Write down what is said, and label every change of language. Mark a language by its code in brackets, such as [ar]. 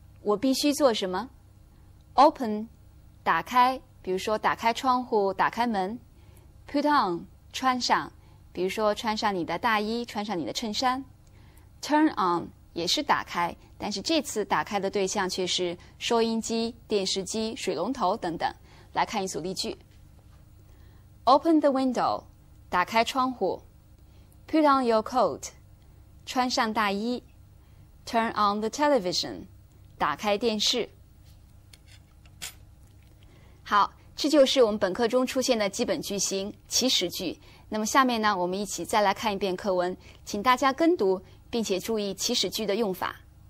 [zh] 我必须做什么 ？Open， 打开，比如说打开窗户、打开门。 Put on， 穿上，比如说穿上你的大衣、穿上你的衬衫。 Turn on 也是打开，但是这次打开的对象却是收音机、电视机、水龙头等等。来看一组例句。 [en] Open the window， [zh] 打开窗户。 [en] Put on your coat， [zh] 穿上大衣。 [en] Turn on the television， [zh] 打开电视。好，这就是我们本课中出现的基本句型祈使句。那么下面呢，我们一起再来看一遍课文，请大家跟读，并且注意祈使句的用法。